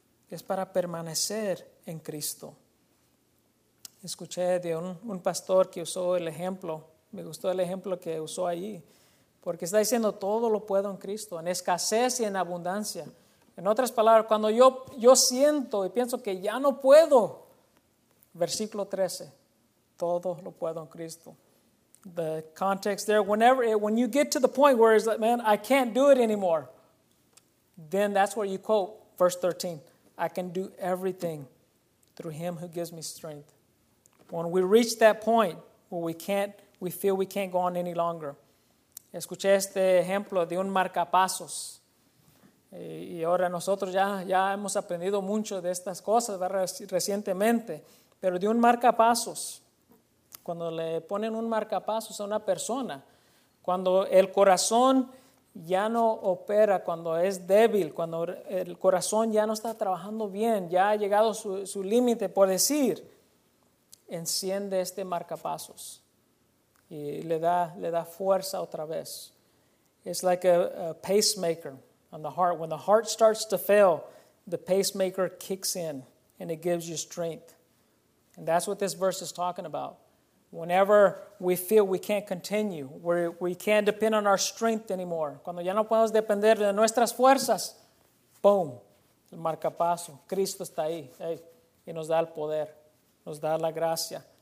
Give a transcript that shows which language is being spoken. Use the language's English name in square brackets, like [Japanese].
[Spanish] Es para permanecer en Cristo. Escuché de un pastor que usó el ejemplo, me gustó el ejemplo que usó allí, porque está diciendo todo lo puedo en Cristo, en escasez y en abundancia. En otras palabras, cuando yo siento y pienso que ya no puedo, versículo 13, todo lo puedo en Cristo. [English] The context there, when you get to the point where it's like, man, I can't do it anymore, then that's where you quote verse 13. I can do everything through him who gives me strength. When we reach that point where we feel we can't go on any longer. [Spanish] Escuché este ejemplo de un marcapasos. Y ahora nosotros ya hemos aprendido mucho de estas cosas, ¿verdad? Recientemente, pero de un marcapasos. Cuando le ponen un marcapasos a una persona, cuando el corazón ya no opera, cuando es débil, cuando el corazón ya no está trabajando bien, ya ha llegado su límite, por decir, enciende este marcapasos y le da fuerza otra vez. [English] It's like a pacemaker on the heart. When the heart starts to fail, the pacemaker kicks in and it gives you strength. And that's what this verse is talking about. Whenever we feel we can't continue, we can't depend on our strength anymore. [Spanish] Cuando ya no podemos depender de nuestras fuerzas, boom, el marcapaso. Cristo está ahí, hey, y nos da el poder, nos da la gracia.